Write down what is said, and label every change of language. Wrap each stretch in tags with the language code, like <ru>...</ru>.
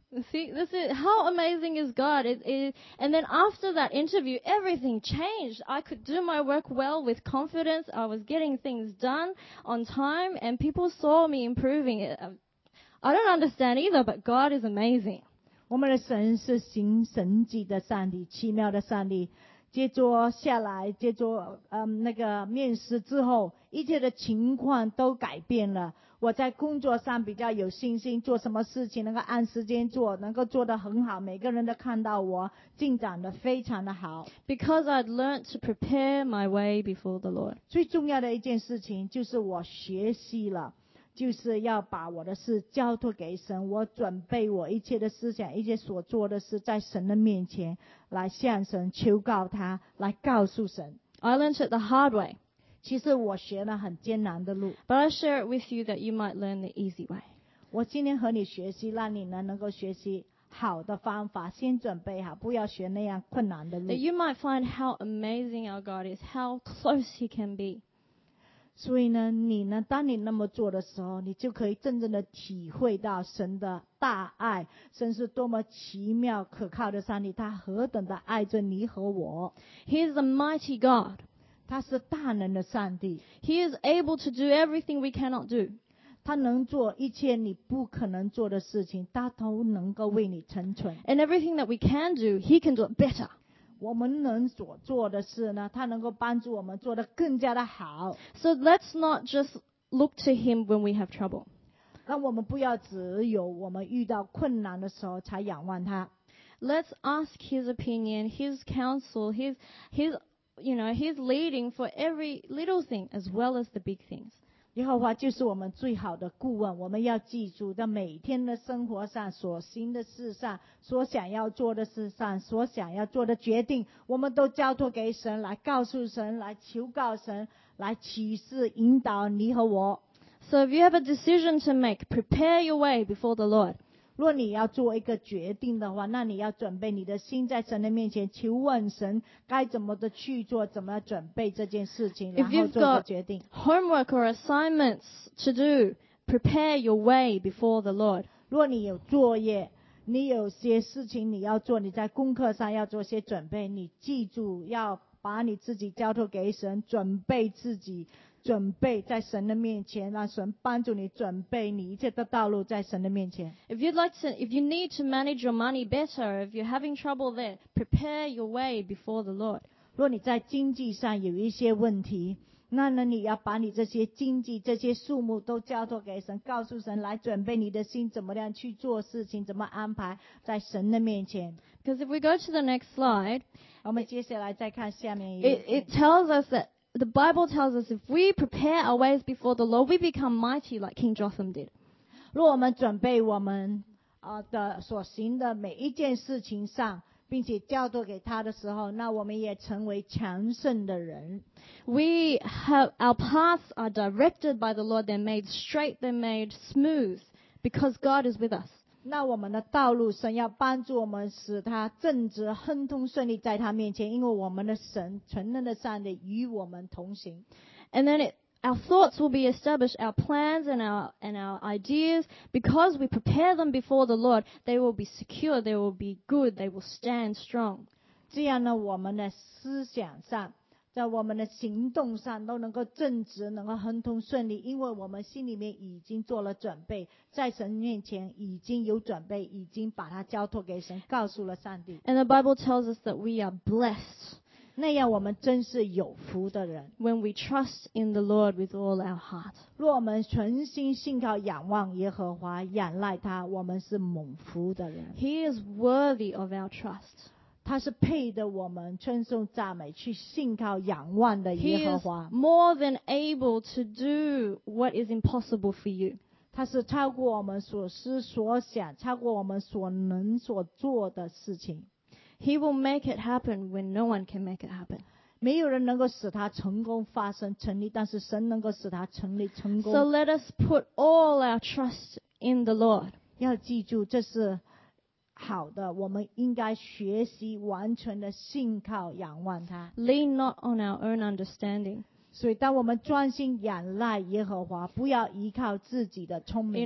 <en>See, this is how amazing is God. And then after that interview, everything changed. I could do my work well with confidence. I was getting things done on time, and people saw me improving. I don't understand either, but God is amazing.</en> <zh>我们的神是行神迹的上帝，奇妙的上帝。接着下来，接着那个面试之后，一切的情况都改变了。我在工作上比较有信心，做什么事情能够按时间做，能够做得很好，每个人都看到我进展得非常的好。</zh> <en>Because I'd learned to prepare my way before the Lord.</en> <zh>最重要的一件事情就是我学习了，就是要把我的事交托给神，我准备我一切的思想，一切所做的事，在神的面前来向神求告他，来告诉神。</zh> <en>I learned it the hard way.</en> <zh>其实我学了很艰难的路。</zh> <en>But I share it with you that you might learn the easy way.</en> <zh>我今天和你学习，让你能够学习好的方法，先准备好，不要学那样困难的路。</zh> <en>That you might find how amazing our God is, how close He can be.</en> <zh>所以呢，你呢，当你那么做的时候，你就可以真正的体会到神的大爱，神是多么奇妙可靠的上帝，他何等的爱着你和我。</zh> <en>He is a mighty God.</en> <zh>他是大能的上帝。</zh> <en>He is able to do everything we cannot do.</en> <zh>他能做一切你不可能做的事情，他都能够为你成全。</zh> <en>And everything that we can do, He can do it better.</en> <zh>我们能所做的事呢，他能够帮助我们做得更加的好。</zh> <en>So let's not just look to Him when we have trouble.</en> <zh>让我们不要只有我们遇到困难的时候才仰望他。</zh> <en>Let's ask His opinion, His counsel, His. You know, He's leading for every little thing as well as the big things.</en> <zh>耶和华就是我们最好的顾问，我们要记住在每天的生活上，所行的事上，所想要做的事上，所想要做的决定，我们都交托给神，来告诉神，来求告神，来启示引导你和我。</zh> <en>So if you have a decision to make, prepare your way before the Lord.</en> <zh>若你要做一个决定的话，那你要准备你的心在神的面前，求问神该怎么的去做，怎么准备这件事情，然后做个决定。</zh> <en>If you've got homework or assignments to do, prepare your way before the Lord.</en> <zh>若你有作业，你有些事情你要做，你在功课上要做些准备，你记住要把你自己交托给神，准备自己。准备在神的面前，让神帮助你准备你一切的道路在神的面前。</zh> <en>If you'd like to, if you need to manage your money better, if you're having trouble there, prepare your way before the Lord.</en> <zh>若你在经济上有一些问题，那呢你要把你这些经济这些数目都交托给神，告诉神来准备你的心，怎么样去做事情，怎么安排在神的面前。</zh> <en>Because if we go to the next slide,</en> <zh>我们接下来再看下面一页。</zh> <en>It tells us that. The Bible tells us if we prepare our ways before the Lord, we become mighty like King Jotham did.</en> <zh>若我们准备我们的所行的每一件事情上，并且交托给他的时候，那我们也成为强盛的人。</zh> <en>We have our paths are directed by the Lord; they're made straight, they're made smooth because God is with us.</en> <zh>那我们的道路，神要帮助我们，使他正直、亨通、顺利在他面前，因为我们的神、全能的上帝与我们同行。</zh> <en>And then our thoughts will be established, our plans and our ideas, because we prepare them before the Lord, they will be secure, they will be good, they will stand strong.</en> <zh>这样呢，我们的思想上、在我们的行动上都能够正直，能够亨通顺利，因为我们心里面已经做了准备，在神面前已经有准备，已经把它交托给神，告诉了上帝。</zh> <en>And the Bible tells us that we are blessed.</en> <zh>那样我们真是有福的人。</zh> <en>When we trust in the Lord with all our heart.</en> <zh>若我们全心信靠仰望耶和华，仰赖他，我们是蒙福的人。</zh> <en>He is worthy of our trust.</en> <zh>他是配得我们称颂赞美去信靠仰望的耶和华。</zh> <en>He is more than able to do what is impossible for you.</en> <zh>他是超过我们所思所想，超过我们所能所做的事情。</zh> <en>He will make it happen when no one can make it happen.</en> <zh>没有人能够使他成功发生成立，但是神能够使他成立成功。</zh> <en>So let us put all our trust in the Lord.</en> <zh>要记住，这是好的，我们应该学习完全的信靠仰望他。</zh> <en>Lean not on our own understanding.</en> <zh>所以当我们专心仰赖耶和华，不要依靠自己的聪明。</zh>